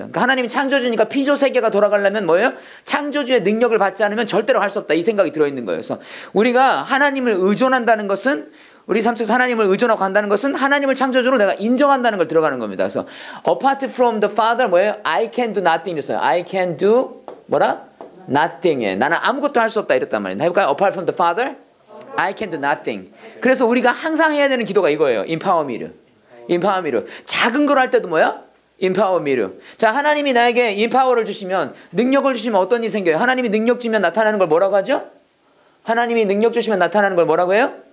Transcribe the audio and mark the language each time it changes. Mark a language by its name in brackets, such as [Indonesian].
[Korean] 그러니까 하나님이 창조주니까 피조 세계가 돌아가려면 뭐예요? 창조주의 능력을 받지 않으면 절대로 할 수 없다. 이 생각이 들어있는 거예요. 그래서 우리가 하나님을 의존한다는 것은 우리 삶 속에서 하나님을 의존하고 간다는 것은 하나님을 창조주로 내가 인정한다는 걸 들어가는 겁니다. 그래서 [English] apart from the father [Korean] 뭐예요? [English] I can do nothing [Korean] 이랬어요. [English] I can do [Korean] 뭐라? [English] nothing 예. [Korean] 나는 아무것도 할 수 없다 이랬단 말이에요. 해볼까요? [English] apart from the father I can do nothing. [Korean] 그래서 우리가 항상 해야 되는 기도가 이거예요. [English] empower me. empower me. [Korean] 작은 걸 할 때도 뭐예요? [English] empower me. [Korean] 자, 하나님이 나에게 empower를 주시면 능력을 주시면 어떤 일이 생겨요? 하나님이 능력 주면 나타나는 걸 뭐라고 하죠? 하나님이 능력 주시면 나타나는 걸 뭐라고 해요?